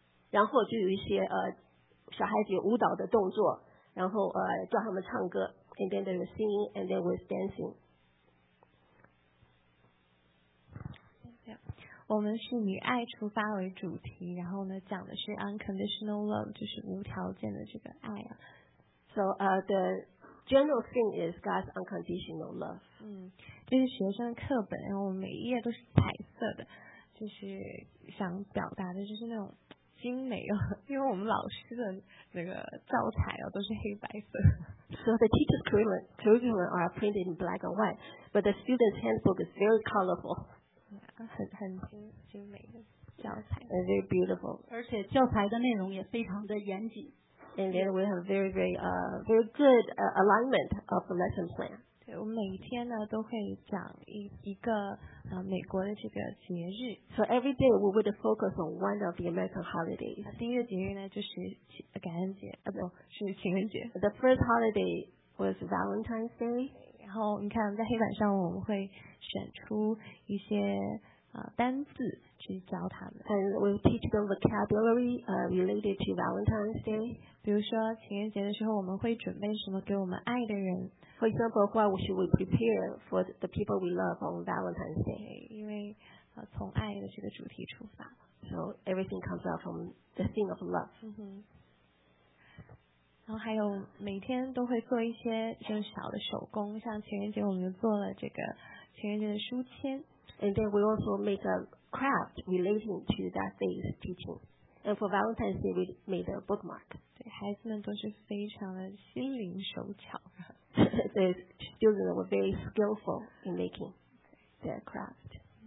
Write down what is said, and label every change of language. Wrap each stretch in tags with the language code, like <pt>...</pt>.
<zh>然后就有一些小孩子有舞蹈的动作，然后叫他们唱歌。</zh> <en>And then there was singing, and there was dancing.</en> <zh>我们是以爱出发为主题，然后呢，讲的是</zh> <en>unconditional love,</en> <zh>就是无条件的这个爱啊。</zh> <en>So, the general theme is God's unconditional love.</en> <zh>这是学生的课本，然后我们每一页都是彩色的，就是想表达的就是那种精美哦，因为我们老师的那个教材哦都是黑白色。</zh> <en>So the teacher's curriculum are printed in black and white, but the student's handbook is very colorful.</en> <zh>很精美的教材。</zh> <en>And very beautiful.</en> <zh>而且教材的内容也非常的严谨。</zh> <en>And then we have very, very, very good alignment of the lesson plan.</en> <zh>对，我们每一天呢都会讲一个美国的这个节日。</zh> <en>So every day we would focus on one of the American holidays.</en> <zh>第一个节日呢就是感恩节，是情人节。</zh> <en>The first holiday was Valentine's Day.</en> <zh>然后你看在黑板上我们会选出一些单字去教他们。</zh> <en>And we'll teach them vocabulary related to Valentine's Day.</en> <zh>比如说情人节的时候我们会准备什么给我们爱的人。</zh> <en>For example, what should we prepare for the people we love on Valentine's Day?</en> <zh>因为从爱的这个主题出发。</zh> <en>So everything comes out from the theme of love. 嗯哼。</en> <zh>然后还有每天都会做一些就小的手工，像情人节我们就做了这个情人节的书签。</zh> <en>And then we also make a craft relating to that day's teaching. And for Valentine's Day, we made a bookmark.</en> <zh>对，孩子们都是非常的心灵手巧。</zh> <en>The students were very skillful in making their craft.</en>